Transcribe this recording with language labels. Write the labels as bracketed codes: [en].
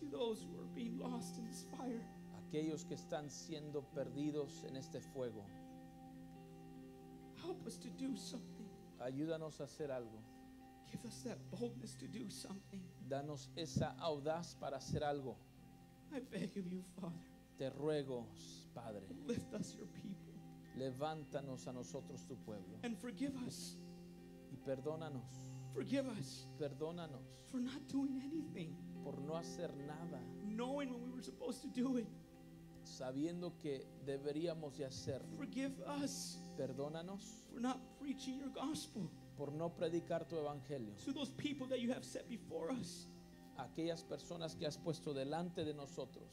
[en] To those who are being lost in this fire. [es] Aquellos que están siendo perdidos en este fuego. [en] Help us to do something. [es] Ayúdanos a hacer algo. [en] Give us that boldness to do something. [es] Danos esa audaz para hacer algo. [en] I beg of you, Father. [es] Te ruego, Padre. [en] Lift us, your people. [es] Levántanos a nosotros, tu pueblo. [en] And forgive us. [es] Y perdónanos. [en] Forgive us. [es] Perdónanos. [en] For not doing anything. [es] Por no hacer nada. [en] Knowing when we were supposed to do it. [es] Sabiendo que deberíamos de hacer. [en] Forgive us. [es] Perdónanos. [en] For not preaching your gospel. [es] Por no predicar tu evangelio. [en] To those people that you have set before us. [es] Aquellas personas que has puesto delante de nosotros.